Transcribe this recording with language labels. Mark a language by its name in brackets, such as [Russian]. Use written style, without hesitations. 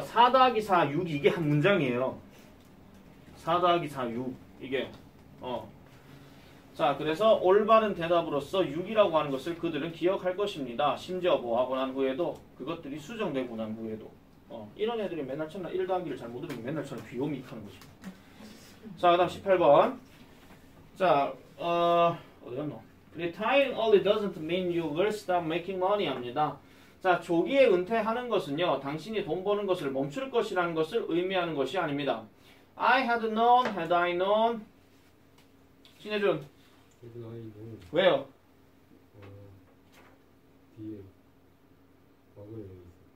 [Korean] 4 더하기 4, 6 이게 한 문장이에요. 4 더하기 4, 6 이게 자, 그래서 올바른 대답으로서 6이라고 하는 것을 그들은 기억할 것입니다. 심지어 뭐 하고 난 후에도 그것들이 수정되고 난 후에도 이런 애들이 맨날 처음에 1 더하기를 잘 모르면 맨날 처음에 귀요미 하는 거지. 자, 그 다음 18번. 자, 어디였노? [English] Retiring early doesn't mean you will stop making money 합니다. [Korean] 자, 조기에 은퇴하는 것은요, 당신이 돈 버는 것을 멈출 것이라는 것을 의미하는 것이 아닙니다. [English] I had known, had I known. 신혜준. Had I known. [Korean] 왜요? 뒤에 과거형이 있어.